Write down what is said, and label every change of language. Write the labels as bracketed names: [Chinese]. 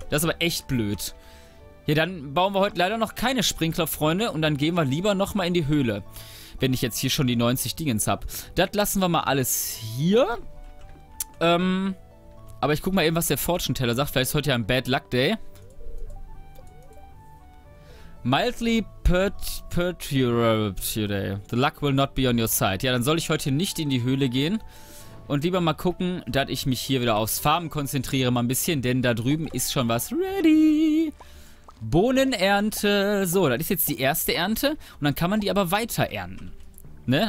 [German] Das ist aber echt blöd. Ja, dann bauen wir heute leider noch keine Sprinkler, Freunde. Und dann gehen wir lieber nochmal in die Höhle. Wenn ich jetzt hier schon die 90 Dingens hab. Das lassen wir mal alles hier. Aber ich guck mal eben, was der Fortune Teller sagt. Vielleicht ist heute ja ein Bad Luck Day. [English] Mildly perturbed today. The luck will not be on your side. [German] Ja, dann soll ich heute nicht in die Höhle gehen. Und lieber mal gucken, dass ich mich hier wieder aufs Farmen konzentriere mal ein bisschen. Denn da drüben ist schon was ready. Bohnenernte. So, das ist jetzt die erste Ernte. Und dann kann man die aber weiter ernten. Ne?